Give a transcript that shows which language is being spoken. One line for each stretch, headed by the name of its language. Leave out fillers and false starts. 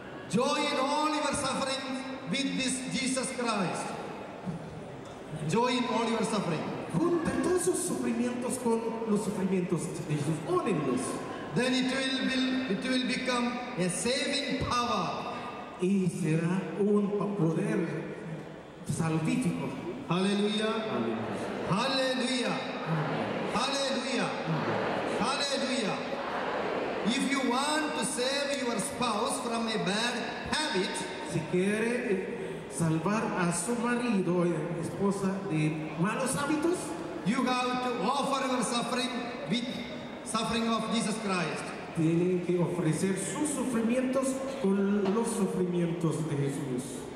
English: Join all your sufferings with this Jesus Christ. Join all your suffering.
Spanish: Junten todos sus sufrimientos con los sufrimientos de Jesús. Únenlos.
English: Then it will become a saving power.
Spanish: Y será un poder salvífico. Aleluya. Aleluya. Aleluya. Aleluya.
English: If you want to save your spouse from a bad habit,
Spanish: si quiere salvar a su marido o esposa de malos hábitos,
English: you have to offer your suffering with suffering of Jesus Christ.
Spanish: Tienen que ofrecer sus sufrimientos con los sufrimientos de Jesús.